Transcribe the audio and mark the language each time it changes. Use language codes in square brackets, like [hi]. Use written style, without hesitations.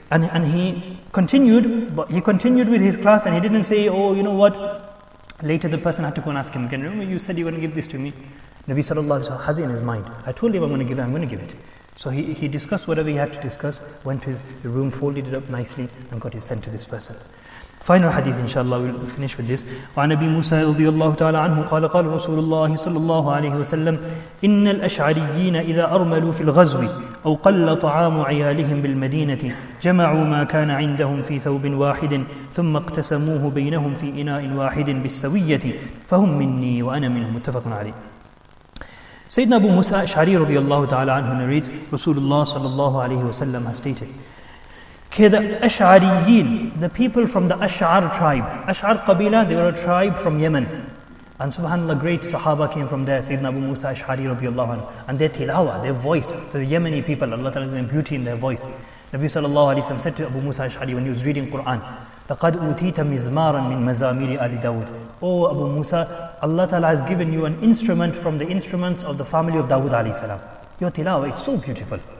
[en] And he continued, but he continued with his class and he didn't say, oh, you know what? Later the person had to go and ask him again, remember you said you were going to give this to me? Nabi sallallahu alayhi wa sallam has it in his mind. I told him I'm going to give it. So he discussed whatever he had to discuss, went to the room, folded it up nicely, and got it sent to this person. Final hadith, inshallah, we'll finish with this. [ar] وَعَنَ أَبِي مُوسَى رَضِيَ اللَّهُ تَعَالَى عَنْهُ قَالَ قَالَ رَسُولُ اللَّهِ صَلَّى اللَّهُ عَلَيْهِ وَسَلَّمُ إِنَّ الْأَشْعَرِيِّينَ إِذَا أَرْمَلُوا فِي الْغَزْوِ أَوْ قَلَّ طَعَامُ عِيَالِهِمْ بِالْمَدِينَةِ جَمَعُوا مَا كَانَ عِنْدَهُمْ فِي ثَوْبٍ وَاحِدٍ ثُمَّ اقْتَسَمُوهُ بَيْنَهُمْ فِي إِنَاءٍ وَاحِدٍ بِالسَّوِيَّةِ فَهُمْ مِنِّي وَأَنَا مِنْهُمْ مُتَّفَقٌ عَلَيْهِ [en] Sayyidina Abu Musa Ash'ari radiallahu ta'ala anhu narrates, Rasulullah sallallahu alayhi wa sallam has stated, The Ash'ariyin, the people from the Ash'ar tribe, Ash'ar Qabila, they were a tribe from Yemen. And subhanAllah, great Sahaba came from there, Sayyidina Abu Musa Ash'ari radiallahu anhu. And their tilawa, their voice, the Yemeni people, Allah Ta'ala gave them beauty in their voice. Nabi sallallahu alayhi wa sallam said to Abu Musa Ash'ari when he was reading Quran, [ar] لَقَدْ أُوْتِيْتَ مِزْمَارًا مِنْ مَزَامِيرِ آلِ دَاوُدِ [en] Oh Abu Musa, Allah Ta'ala has given you an instrument from the instruments of the family of Dawood alayhi salam. Your tilawa is so beautiful.